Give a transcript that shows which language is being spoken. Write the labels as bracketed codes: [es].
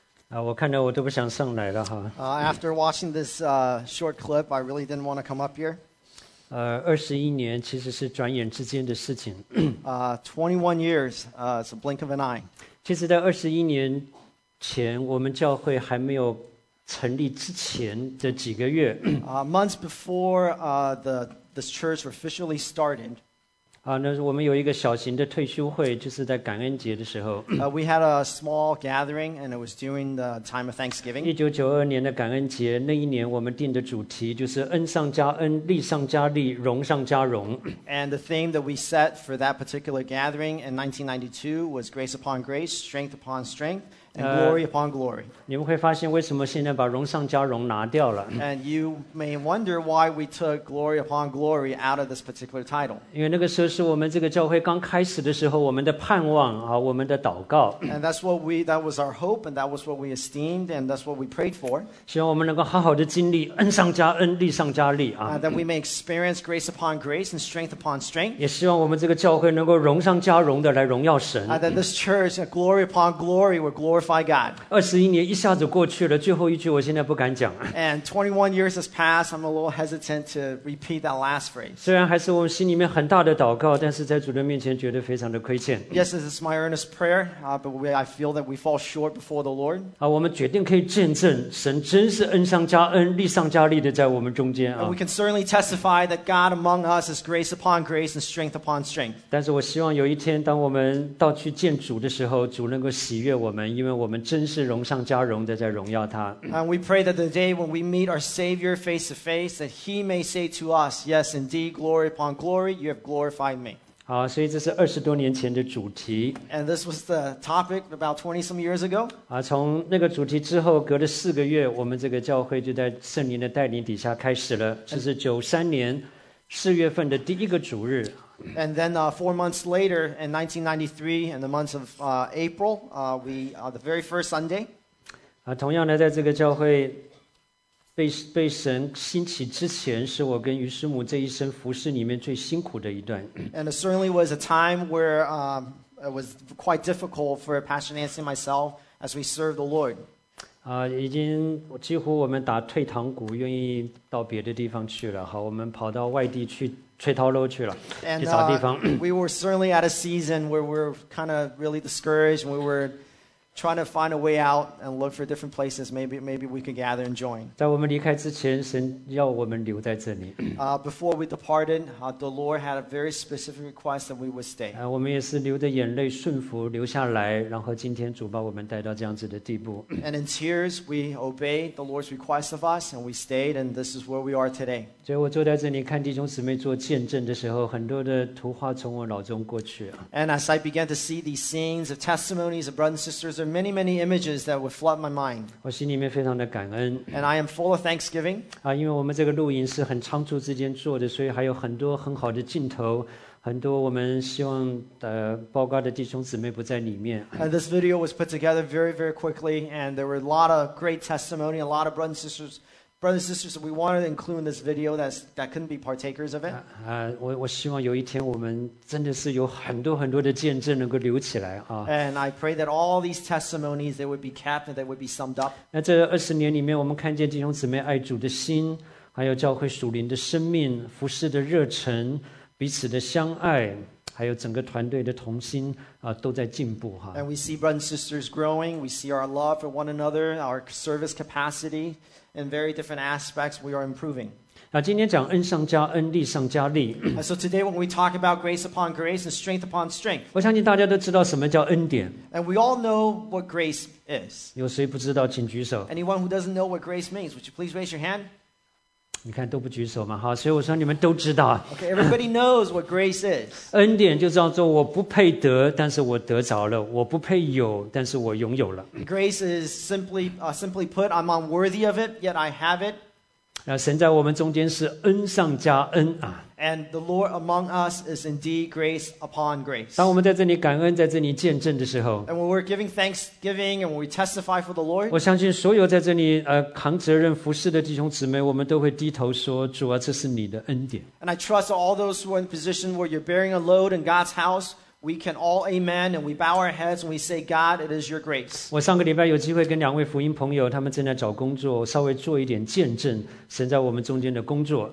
[zh] 我看着我都不想上来了哈。 [en] After watching this short clip, I really didn't want to come up here. [zh] 21年其实是转眼之间的事情。 [en] 21 years, it's a blink of an eye. [zh] 其实在21年前，我们教会还没有成立之前的几个月。 [en] Months before this church officially started. [zh] 那我们有一个小型的退休会，就是在感恩节的时候。 [en] We had a small gathering, and it was during the time of Thanksgiving. [zh] 1992年的感恩节，那一年我们定的主题就是恩上加恩，力上加力，荣上加荣。 [en] And the theme that we set for that particular gathering in 1992 was grace upon grace, strength upon strength, and glory upon glory. [zh] 你们会发现为什么现在把荣上加荣拿掉了。 [en] And you may wonder why we took glory upon glory out of this particular title. [zh] 因为那个时候是我们这个教会刚开始的时候，我们的盼望啊，我们的祷告。 [en] And that's what we, that was our hope, and that was what we esteemed, and that's what we prayed for. [zh] 希望我们能够好好的经历恩上加恩，力上加力啊。 [en] That we may experience grace upon grace and strength upon strength. [zh] 也希望我们这个教会能够荣上加荣的来荣耀神。 [en] That this church, glory upon glory, we're glorifying glorify God. [zh] 21年一下子过去了，最后一句我现在不敢讲。 [en] And 21 years has passed. I'm a little hesitant to repeat that last phrase. [zh] 虽然还是我们心里面很大的祷告，但是在主的面前觉得非常的亏欠。 [en] Yes, this is my earnest prayer, but I feel that we fall short before the Lord. [zh] 我们决定可以见证神真是恩上加恩，力上加力的在我们中间。 [en] And we can certainly testify that God among us is grace upon grace and strength upon strength. [zh] 但是我希望有一天，当我们到去见主的时候，主能够喜悦我们，因为我们真是荣上加荣的在荣耀他。 [en] And we pray that the day when we meet our Savior face to face, that He may say to us, "Yes, indeed, glory upon glory, you have glorified me." [zh] 好，所以这是二十多年前的主题。 [en] And this was the topic about 20-some years ago. [zh] 从那个主题之后，隔了四个月，我们这个教会就在圣灵的带领底下开始了。这是93年四月份的第一个主日。 [en] And then 4 months later, in 1993, in the month of April, the very first Sunday. [zh] 同样的，在这个教会被神兴起之前，是我跟于师母这一生服事里面最辛苦的一段。 [en] And it certainly was a time where it was quite difficult for Pastor Nancy and myself as we served the Lord. [zh] 已经几乎我们打退堂鼓，愿意到别的地方去了。好，我们跑到外地去。 [en] And we were certainly at a season where we were kind of really discouraged, and we were trying to find a way out and look for different places. Maybe we could gather and join. [zh] 在我们离开之前，神要我们留在这里。 [en] Before we departed, the Lord had a very specific request that we would stay. [zh] 我们也是流着眼泪顺服留下来，然后今天主把我们带到这样子的地步。 [en] And in tears, we obeyed the Lord's request of us, and we stayed, and this is where we are today. [zh] 所以我坐在这里看弟兄姊妹做见证的时候，很多的图画从我脑中过去。 [en] And as I began to see these scenes of testimonies of brothers and sisters,there are many, many images that would flood my mind. [zh] 我心里面非常的感恩。 [en] And I am full of thanksgiving. [zh] 因为我们这个录影是很仓促之间做的，所以还有很多很好的镜头，很多我们希望包括的弟兄姊妹不在里面。 [en] And this video was put together very, very quickly, and there were a lot of great testimony, a lot of brothers and sisters that we wanted to include in this video that couldn't be partakers of it. [zh] 我希望有一天我们真的是有很多很多的见证能够留起来啊。 [en] And I pray that all these testimonies, they would be kept and they would be summed up. [zh] 那这二十年里面我们看见弟兄姊妹爱主的心，还有教会属灵的生命，服事的热忱，彼此的相爱，还有整个团队的同心都在进步。 [en] And we see brothers and sisters growing. We see our love for one another, our service capacity. In very different aspects, we are improving. [zh] 今天讲恩上加恩，力上加力。 [en] So today, when we talk about grace upon grace and strength upon strength, [zh] 我相信大家都知道什么叫恩典。 [en] And we all know what grace is. [zh] 有谁不知道，请举手。 [en] Anyone who doesn't know what grace means, would you please raise your hand? [zh] 你看都不举手嘛，好，所以我说你们都知道。 [en] Okay, everybody knows what grace is. [zh] 恩典就叫做我不配得，但是我得着了；我不配有，但是我拥有了。 [en] Grace is simply put, I'm unworthy of it, yet I have it. [zh] 神在我们中间是恩上加恩啊。 [en] And the Lord among us is indeed grace upon grace. [zh] 当我们在这里感恩，在这里见证的时候 [en] ，And when we're giving thanksgiving and when we testify for the Lord, [zh] 我相信所有在这里扛责任服事的弟兄姊妹，我们都会低头说：“主啊，这是你的恩典。 [en] ”And I trust all those who are in a position where you're bearing a load in God's house. We can all amen, and we bow our heads, and we say, God, it is your grace. [zh] 我上个礼拜有机会跟两位福音朋友，他们正在找工作，稍微做一点见证，神在我们中间的工作。